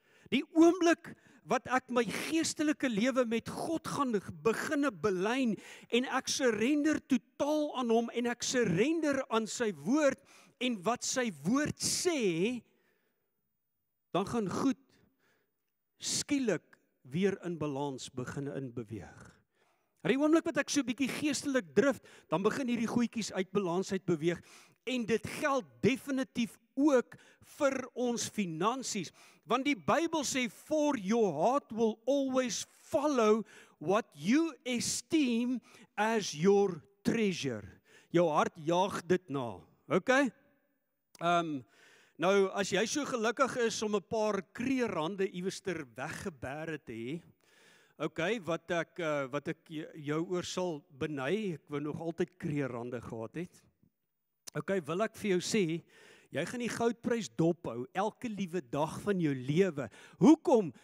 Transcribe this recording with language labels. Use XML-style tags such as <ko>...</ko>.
<af>Die oomblik wat ek my geestelike lewe met God gaan beginne belyn en ek surrender totaal aan hom en ek surrender aan sy woord en wat sy woord sê, dan gaan goed skielik weer in balans begin in beweeg. In die oomblik wat ek so 'n bietjie geestelik drift, dan begin hierdie goedjies uit balans uit beweeg en dit geld definitief ook vir ons finansies. Want die Bybel sê,</af> <en>for your heart will always follow what you esteem as your treasure.</en> <af>Jou hart jaag dit na. OK? Nou, as jy so gelukkig is om 'n paar kreerande iewester weggebere te hê, OK, wat ek jou oor sal beny, ek wou nog altyd kreerande gehad het. OK, wil ek vir jou sê, jy gaan die goudprys dophou elke liewe dag van jou lewe. Hoekom?</af>